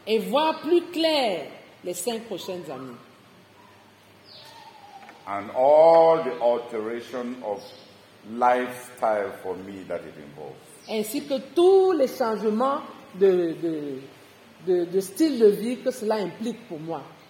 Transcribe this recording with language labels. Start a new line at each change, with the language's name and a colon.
French: Et voir plus clair les cinq prochaines années.
English: And all the alteration of lifestyle for me that it involves.
French: Ainsi que tous les changements de style de vie que cela implique pour moi.